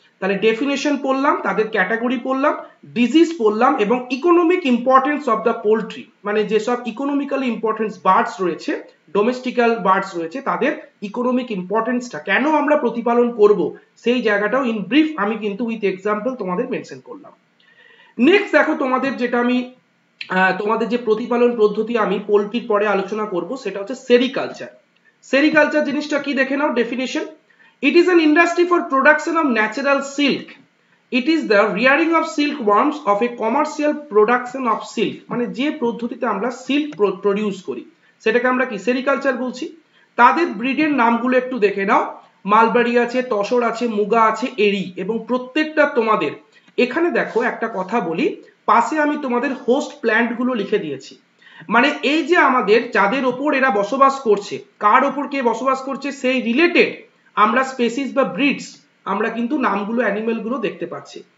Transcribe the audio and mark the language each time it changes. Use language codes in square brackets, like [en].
[bn] তাহলে ডেফিনেশন পড়লাম, তাদের ক্যাটাগরি পড়লাম, ডিজিজ পড়লাম এবং economic importance of the poultry, মানে যেসব ইকোনমিক্যালি ইম্পর্টেন্স বার্ডস রয়েছে, ডোমেস্টিক্যাল বার্ডস রয়েছে, তাদের ইকোনমিক ইম্পর্টেন্সটা কেন আমরা প্রতিপালন করব সেই জায়গাটাও ইন ব্রিফ আমি কিন্তু উইথ এক্সাম্পল তোমাদের মেনশন করলাম। নেক্সট দেখো, তোমাদের যেটা আমি তোমাদের যে প্রতিপালন পদ্ধতি আমি পোলট্রির পরে আলোচনা করব সেটা হচ্ছে সেরিকালচার। সেরিকালচার জিনিসটা কি দেখে নাও definition. [en] It is an industry for production of natural silk. It is the rearing of silkworms of a commercial production of silk. [bn] মানে যে পদ্ধতিতে আমরা সিল্ক প্রোডিউস করি সেটাকে আমরা কি সেরিকালচার বলছি। তাদের ব্রিডের নামগুলো একটু দেখে নাও, মালবাড়ি আছে, তসর আছে, মুগা আছে, এরি, এবং প্রত্যেকটা তোমাদের এখানে দেখো একটা কথা বলি, পাশে আমি তোমাদের হোস্ট প্ল্যান্টগুলো লিখে দিয়েছি, মানে এই যে আমাদের যাদের ওপর এরা বসবাস করছে, কার ওপর কে বসবাস করছে সেই রিলেটেড আমরা স্পেসিস বা ব্রিডস আমরা কিন্তু নামগুলো অ্যানিমেলগুলো দেখতে পাচ্ছি।